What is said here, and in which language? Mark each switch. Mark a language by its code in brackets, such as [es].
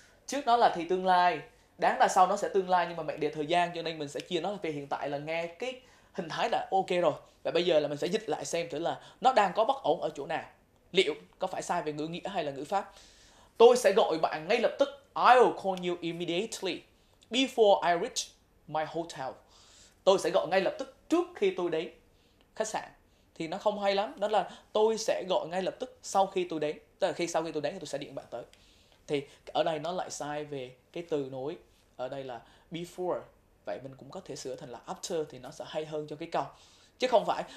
[vi] Trước nó là thì tương lai, đáng là sau nó sẽ tương lai, nhưng mà mệnh đề thời gian, cho nên mình sẽ chia nó về hiện tại là nghe cái hình thái là ok rồi. Và bây giờ là mình sẽ dịch lại xem thử là nó đang có bất ổn ở chỗ nào. Liệu có phải sai về ngữ nghĩa hay là ngữ pháp? Tôi sẽ gọi bạn ngay lập tức. [en] I'll call you immediately before I reach my hotel. [vi] Tôi sẽ gọi ngay lập tức trước khi tôi đến khách sạn. Thì nó không hay lắm. Đó là tôi sẽ gọi ngay lập tức sau khi tôi đến. Tức là khi sau khi tôi đến thì tôi sẽ điện bạn tới. Thì ở đây nó lại sai về cái từ nối. Ở đây là before. Vậy mình cũng có thể sửa thành là after, thì nó sẽ hay hơn cho cái câu. Chứ không phải.